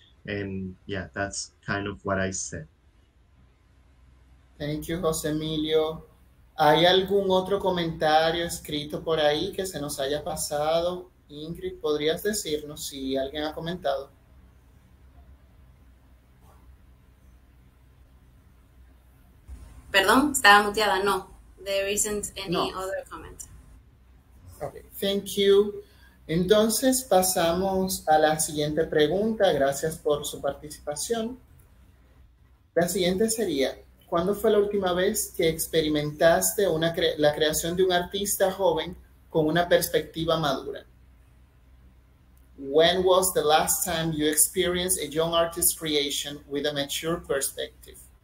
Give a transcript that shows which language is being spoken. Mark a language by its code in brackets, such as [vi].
[en] And yeah, that's kind of what I said. Thank you, José Emilio. [es] ¿Hay algún otro comentario escrito por ahí que se nos haya pasado? Ingrid, ¿podrías decirnos si alguien ha comentado? Perdón, estaba muteada. [en] No, there isn't any other comment. Okay, thank you. [es] Entonces pasamos a la siguiente pregunta. Gracias por su participación. La siguiente sería... ¿Cuándo fue la última vez que experimentaste la creación de un artista joven con una perspectiva madura? [en] When was the last time you experienced a young artist's creation with a mature perspective?